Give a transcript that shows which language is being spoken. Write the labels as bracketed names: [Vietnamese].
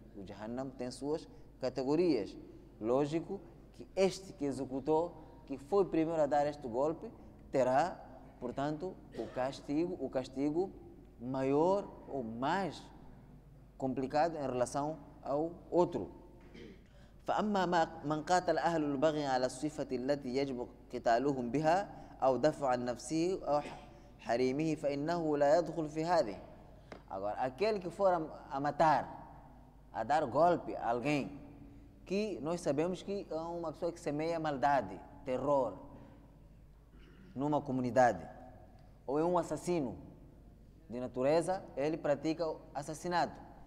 [Portuguese] O Jahannam tem suas categorias. Lógico que este que executou, que foi primeiro a dar este golpe, terá, portanto, o castigo maior ou mais complicado em relação ao outro. [Arabic] فأما من قاتل أهل البغي على الصفة التي يجب قتالهم بها أو دفع نفسه أو حريمه فإنه لا يدخل في هذه. [Portuguese] Agora, aquele que for a matar, a dar golpe a alguém, que nós sabemos que é uma pessoa que semeia maldade, terror, numa comunidade, ou é um assassino de natureza, ele pratica assassinato.